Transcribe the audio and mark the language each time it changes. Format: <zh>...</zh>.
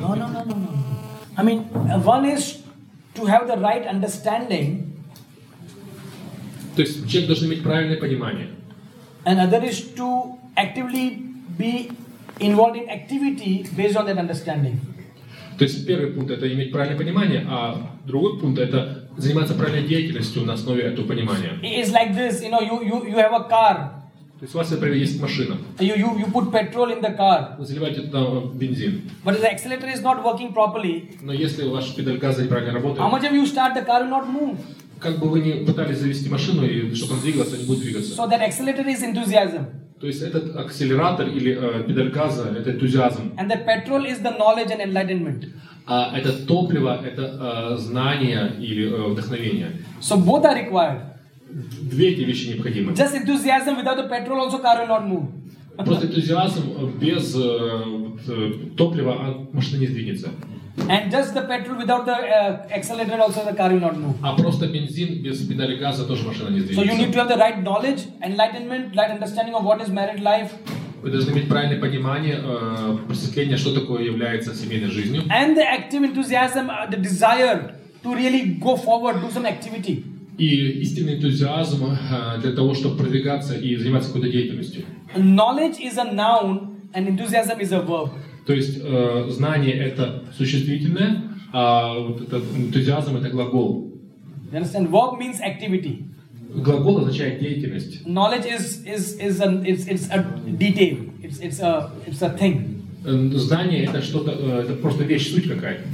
<en>No. I mean, one is to have the right understanding.</en> <ru>То есть человек должен иметь правильное понимание.</ru> <en>And other is to actively be involved in activity based on that understanding.</en> <ru>То есть первый пункт – это иметь правильное понимание, а другой пункт – это заниматься правильной деятельностью на основе этого понимания.</ru> <en>It's like this, you know, you have a car.</en> <ru>То есть у вас, например, есть машина.</ru> <en>You put petrol in the car.</en> <ru>Вы заливаете туда бензин.</ru> <en>But the accelerator is not working properly.</en> <ru>Но если ваш педаль газа неправильно работает.</ru> <en>How much have you start, the car will not move.</en> <ru>Как бы вы ни пытались завести машину, и чтобы она двигалась, она не будет двигаться.</ru> <en>So that accelerator is enthusiasm.</en> <ru>То есть этот акселератор или педаль газа – это энтузиазм.</ru> <en>And the petrol is the knowledge and enlightenment.</en> <ru>А это топливо – это знание или вдохновение.</ru> <en>So both are required.</en> <ru>Две эти вещи необходимы.</ru> <en>Just enthusiasm without the petrol also car will not move.</en> <ru>Просто энтузиазм без топлива машина не сдвинется.</ru> <en>And just the petrol without the accelerator also the car will not move.</en> <ru>А просто бензин без педали газа тоже машина не сдвинется.</ru> <en>So you need to have the right knowledge, enlightenment, right understanding of what is married life.</en> <ru>Вы должны иметь правильное понимание, просветление, что такое является семейной жизнью.</ru> <en>And the active enthusiasm, the desire to really go forward, do some activity.</en> <ru>И истинный энтузиазм для того, чтобы продвигаться и заниматься какой-то деятельностью.</ru> <en>Knowledge is a noun and enthusiasm is a verb.</en> <ru>То есть знание это существительное, а вот это энтузиазм это глагол.</ru> <en>You understand? Verb means activity.</en> <ru>Глагол означает деятельность.</ru> <en>Knowledge is a detail. It's a thing.</en> <ru>Знание это что-то, это просто вещь, суть какая-то.</ru>